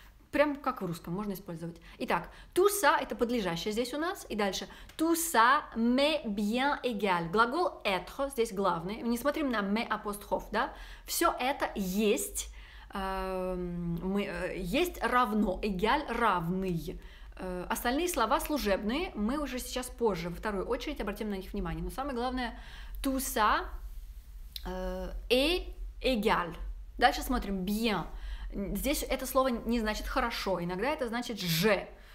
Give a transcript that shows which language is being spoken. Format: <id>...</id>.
<ru>прям как в русском можно использовать. Итак, tout ça это подлежащее здесь у нас, и дальше</ru> <fr>tout ça m'est bien égal.</fr> <ru>Глагол être здесь главный. Не смотрим на</ru> <fr>m'est</fr> <ru>apostrophe, да? Все это есть, мы есть равно, égal равный. Остальные слова служебные мы уже сейчас позже во вторую очередь обратим на них внимание. Но самое главное</ru> <fr>tout ça est égal.</fr> <ru>Дальше смотрим bien. Здесь это слово не значит хорошо, иногда это значит же.</ru>